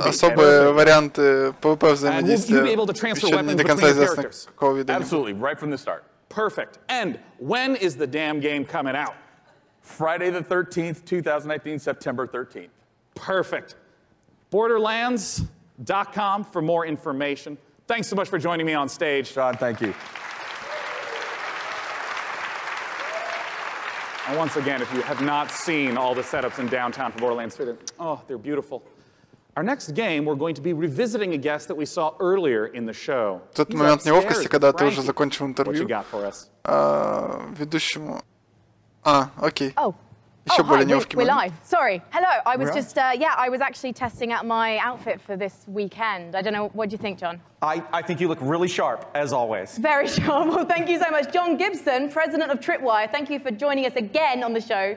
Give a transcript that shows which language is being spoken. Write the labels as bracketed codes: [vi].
[ru] Особые варианты PvP взаимодействия. [en] Will you be able to transfer weapons between characters? Absolutely, right from the start. Perfect. And when is the damn game coming out? Friday the 13th, 2019, September 13th. Perfect. Borderlands.com for more information. Thanks so much for joining me on stage. John, thank you. And once again, if you have not seen all the setups in downtown for Borderlands 3, oh, they're beautiful. Our next game, we're going to be revisiting a guest that we saw earlier in the show. [ru] Тот момент неловкости, когда ты уже закончил интервью. [en] What you got for us? [ru] Ведущему. [en] Okay. I was actually testing out my outfit for this weekend. I don't know, what do you think, John? I think you look really sharp, as always. Very sharp. Well, thank you so much. John Gibson, president of Tripwire, thank you for joining us again on the show.